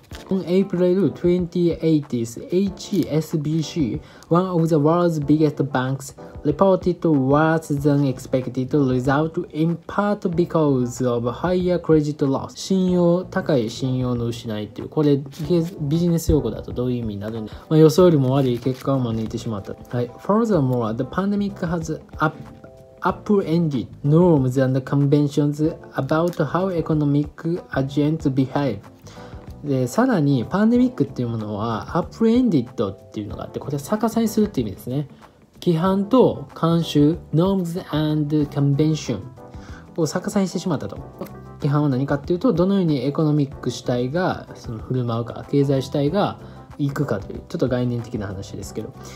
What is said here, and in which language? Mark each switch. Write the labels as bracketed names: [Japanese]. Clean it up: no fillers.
[English] On April 28th, HSBC, one of the world's biggest banks, reported worse than expected result in part because of higher credit loss. [Japanese] 信用、高い信用の失いっていう、これビジネス用語だとどういう意味になるんだ、まあ、予想よりも悪い結果を招いてしまった。 [English] はい、Furthermore, the pandemic has upended norms and conventions about how economic agents behave. [Japanese] で、さらにパンデミックっていうものは upended っていうのがあって、これは逆さにするっていう意味ですね。規範と慣習 [English] Norms and Convention [Japanese] を逆さにしてしまったと。規範は何かっていうと、どのようにエコノミック主体がその振る舞うか、経済主体が行くかという、ちょっと概念的な話ですけど。